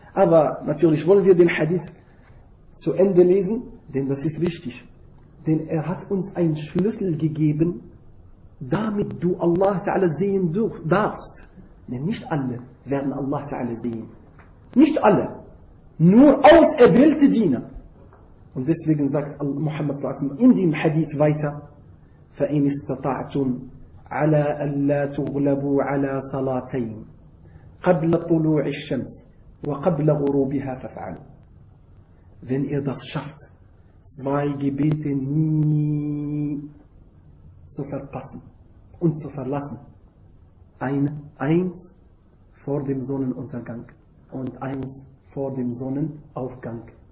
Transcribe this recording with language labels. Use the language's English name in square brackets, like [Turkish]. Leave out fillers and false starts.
[German] Aber natürlich wollen wir den Hadith zu Ende lesen, denn das ist wichtig. Denn er hat uns einen Schlüssel gegeben, damit du Allah Ta'ala sehen darfst. Denn nicht alle werden Allah Ta'ala sehen. Nicht alle. Nur auserwählte Diener. Und deswegen sagt Muhammad in dem Hadith weiter, [Arabic] فَإِنِ اسْتَطَعْتُمْ عَلَىٰ أَلَّا تُغْلَبُوا عَلَىٰ صَلَاتَيْنِ قَبْلَ طُلُوعِ الشَّمْسِ وَقَبْلَ غُرُوبِهَا فَفْعَلُوا. [German] Wenn ihr das schafft, zwei Gebete nie zu verpassen und zu verlassen. Eins vor dem Sonnenuntergang und eins vor dem Sonnenaufgang.